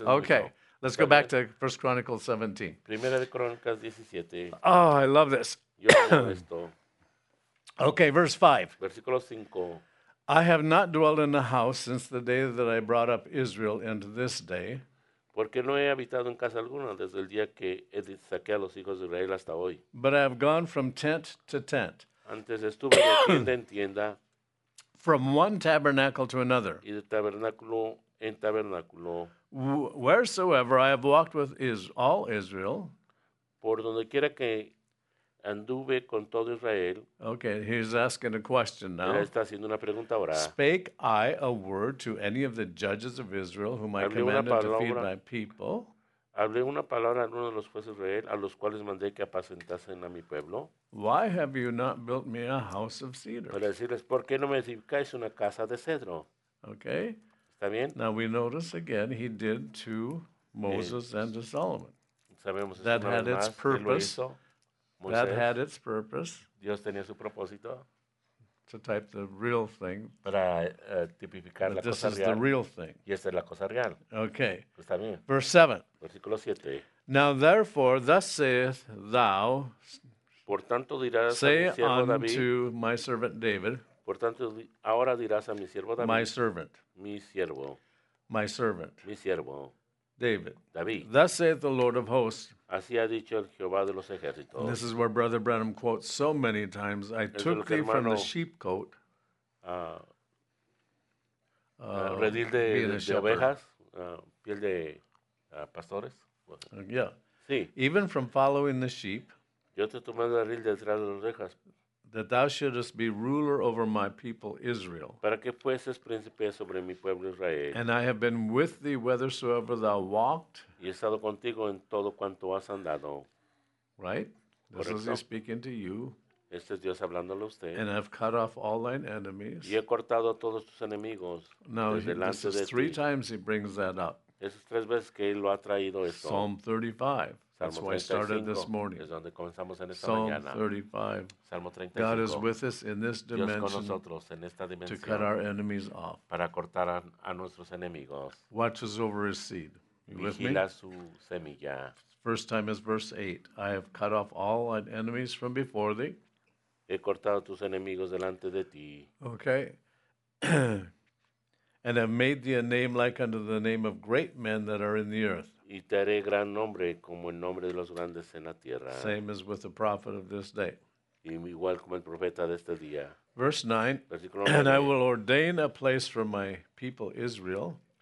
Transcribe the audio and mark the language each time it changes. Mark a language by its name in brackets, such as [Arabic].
[English] okay. [Spanish] Mucho. [English] Let's go back to 1 Chronicles 17. [Spanish] Primera de Crónicas 17. [English] Oh, I love this. [Spanish] Yo amo esto. [English] Okay, verse 5. [Spanish] Versículo 5. [English] I have not dwelt in a house since the day that I brought up Israel into this day. [Spanish] Porque no he habitado en casa alguna desde el día que saqué a los hijos de Israel hasta hoy. [English] But I have gone from tent to tent. [Spanish] Antes estuve de tienda en tienda. [English] From one tabernacle to another. [Spanish] Y de tabernáculo en tabernáculo. [English] Wheresoever I have walked with all Israel. [Spanish] Por donde quiera que Anduve con todo Israel. [English] Okay, he's asking a question now. [Spanish] Él está haciendo una pregunta ahora. [English] Spake I a word to any of the judges of Israel whom I commanded to feed my people? [Spanish] Hablé una palabra a uno de los jueces de Israel a los cuales mandé que apacentasen a mi pueblo. [English] Why have you not built me a house of cedar? [Spanish] Para decirles, ¿por qué no me edificáis una casa de cedro? [English] Okay. [Spanish] ¿Está bien? [English] Now we notice again he did to Moses and to Solomon. [Spanish] Sabemos [English] that had its purpose. Moses, that had its purpose. [Spanish] Dios tenía su propósito. [English] To type the real thing. [Spanish] Para tipificar la cosa real. [English] This is the real thing. [Spanish] Y esta es la cosa real. [English] Okay. [Spanish] Pues también. [English] Verse 7. [Spanish] Versículo 7. [English] Now therefore, thus saith thou. [Spanish] Por tanto dirás [English] say [Spanish] a mi siervo David. [English] Say unto my servant David. [Spanish] Por tanto, ahora dirás a mi siervo David. [English] My servant. [Spanish] Mi siervo. [English] My servant. [Spanish] Mi siervo. [English] David. [Spanish] David. [English] Thus saith the Lord of hosts. [Spanish] Así ha dicho el Jehová de los ejércitos. [English] This is where Brother Branham quotes so many times. I took thee [Spanish] hermano, [English] from the sheepcote. [Spanish] Redil de ovejas, piel de pastores. [English] Yeah. [Spanish] Sí. [English] Even from following the sheep. [Spanish] Yo te tomé el redil detrás de las ovejas. [English] That thou shouldest be ruler over my people Israel. [Spanish] Para que fueses príncipe sobre mi pueblo Israel. [English] And I have been with thee whithersoever thou walked. [Spanish] Y he estado contigo en todo cuanto has andado. [English] Right? [Spanish] Correcto. [English] This is he speaking to you. [Spanish] Este es Dios hablándole a usted. [English] And I've cut off all thine enemies. [Spanish] Y he cortado a todos tus enemigos. [English] Now, [Spanish] desde delante [English] this is [Spanish] de [English] three [Spanish] ti. [English] Times he brings that up. [Spanish] Esas tres veces que él lo ha traído esto. [English] Psalm 35. That's why I started this morning. [Spanish] Es donde comenzamos en esta [English] Psalm [Spanish] mañana. [English] 35. [Spanish] Salmo 35. [English] God is with us in this dimension, [Spanish] Dios con nosotros en esta dimension [English] to cut our enemies off. [Spanish] Para cortar a nuestros enemigos. [English] Watches over his seed. You [Spanish] Vigila [English] with me? [Spanish] Su semilla. [English] First time is verse 8. I have cut off all thy enemies from before thee. [Spanish] He cortado tus enemigos delante de ti. [English] Okay. And have made thee a name like unto the name of great men that are in the earth. [Spanish] Y te haré gran nombre como el nombre de los grandes en la tierra. [English] Same as with the prophet of this day. [Spanish] Y igual como el profeta de este día. [English] Verse 9. [Spanish] Versículo 9. [English] And I will ordain a place for my people Israel.